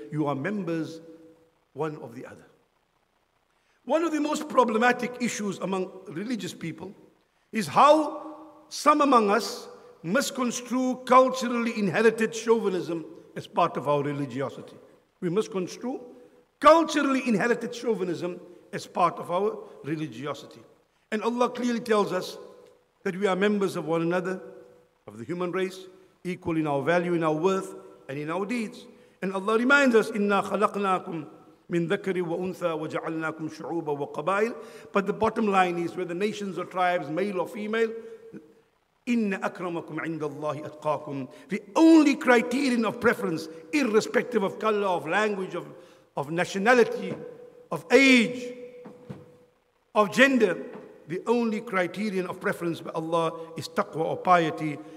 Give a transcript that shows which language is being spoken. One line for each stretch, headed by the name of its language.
English: You are members one of the other. One of the most problematic issues among religious people is how some among us misconstrue culturally inherited chauvinism as part of our religiosity. We misconstrue culturally inherited chauvinism as part of our religiosity. And Allah clearly tells us that we are members of one another, of the human race, equal in our value, in our worth, and in our deeds. And Allah reminds us,
Arabic: إِنَّا خَلَقْنَاكُمْ مِنْ ذَكَرِ وَأُنْثَى وَجَعَلْنَاكُمْ شُعُوبًا وَقَبَائِلَ.
English: But the bottom line is, whether nations or tribes, male or female,
Arabic: إِنَّ أَكْرَمَكُمْ عِنْدَ اللَّهِ أَتْقَاكُمْ.
English: The only criterion of preference, irrespective of color, of language, of nationality, of age, of gender, the only criterion of preference by Allah is taqwa or piety.